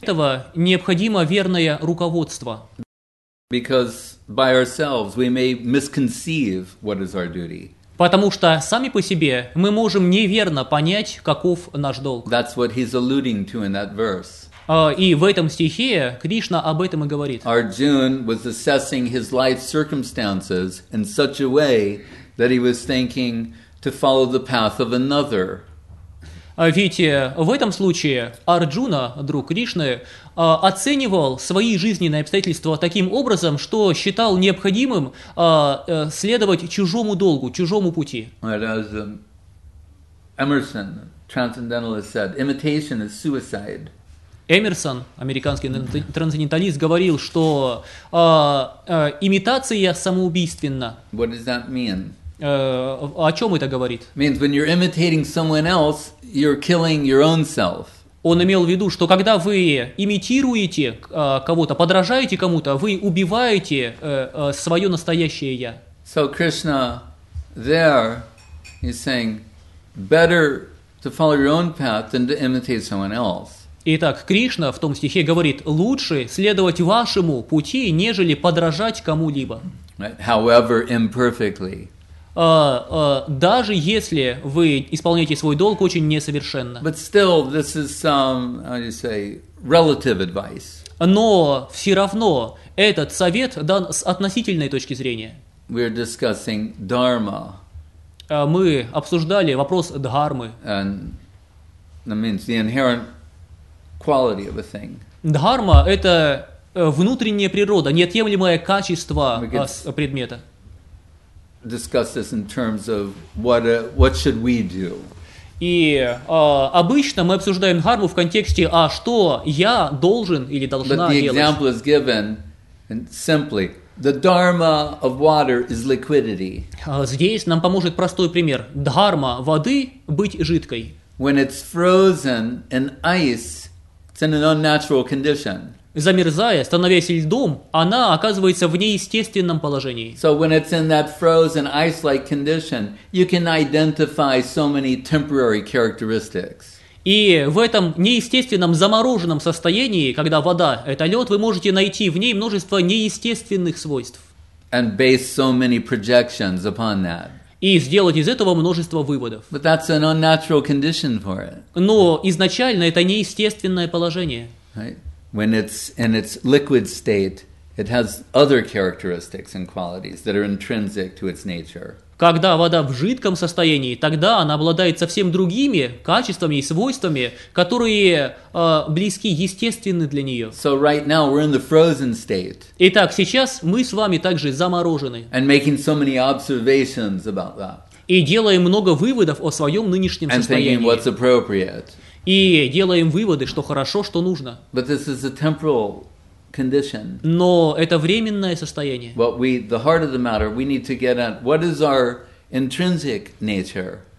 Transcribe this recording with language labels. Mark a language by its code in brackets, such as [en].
[ru] Этого необходимо верное руководство. [en] Because by ourselves we may misconceive what is our duty. [ru] Потому что сами по себе мы можем неверно понять, каков наш долг. [en] That's what he's alluding to in that verse. [ru] И в этом стихе Кришна об этом и говорит. [en] Arjuna was assessing his life circumstances in such a way that he was thinking to follow the path of another. [ru] Ведь в этом случае Арджуна, друг Кришны, оценивал свои жизненные обстоятельства таким образом, что считал необходимым следовать чужому долгу, чужому пути. [en] As Emerson, transcendentalist, said, imitation is suicide. [ru] Эмерсон, американский трансценденталист, говорил, что имитация самоубийственна. [en] What does that mean? [ru] О чем это говорит? [en] Means when you're imitating someone else, you're killing your own self. [ru] Он имел в виду, что когда вы имитируете кого-то, подражаете кому-то, вы убиваете свое настоящее я. [en] So Krishna there is saying better to follow your own path than to imitate someone else. [ru] Итак, Кришна в том стихе говорит: лучше следовать вашему пути, нежели подражать кому-либо. [en] Right. However imperfectly. [ru] Даже если вы исполняете свой долг очень несовершенно. [en] But still, this is some, how do you say, relative advice. [ru] Но все равно этот совет дан с относительной точки зрения. [en] We're discussing dharma. [ru] Мы обсуждали вопрос дхармы. [en] And that means the inherent quality of a thing. [ru] Дхарма – это внутренняя природа, неотъемлемое качество предмета. [en] Discuss this in terms of what should we do. [ru] И обычно мы обсуждаем дхарму в контексте, а что я должен или должна делать? [en] But the example is given simply. The dharma of water is liquidity. [ru] Здесь нам поможет простой пример. Дхарма воды быть жидкой. [en] When it's frozen in ice, it's in an unnatural condition. [ru] Замерзая, становясь льдом, она оказывается в неестественном положении. [en] So when it's in that frozen ice-like condition, you can identify so many temporary characteristics. [ru] И в этом неестественном замороженном состоянии, когда вода – это лед, вы можете найти в ней множество неестественных свойств. [en] And base so many projections upon that. [ru] И сделать из этого множество выводов. [en] But that's an unnatural condition for it. [ru] Но изначально это неестественное положение. [en] Right? When it's in its liquid state, it has other characteristics and qualities that are intrinsic to its nature. [ru] Когда вода в жидком состоянии, тогда она обладает совсем другими качествами и свойствами, которые близки, естественны для нее. [en] So right now we're in the frozen state. [ru] Итак, сейчас мы с вами также заморожены. [en] And making so many observations about that. [ru] И делаем много выводов о своем нынешнем [en] and [ru] состоянии. [en] And thinking what's appropriate. [ru] И делаем выводы, что хорошо, что нужно. [en] But this is a temporal condition. [ru] Но это временное состояние. [en] What we, the heart of the matter, we need to get at what is our intrinsic nature.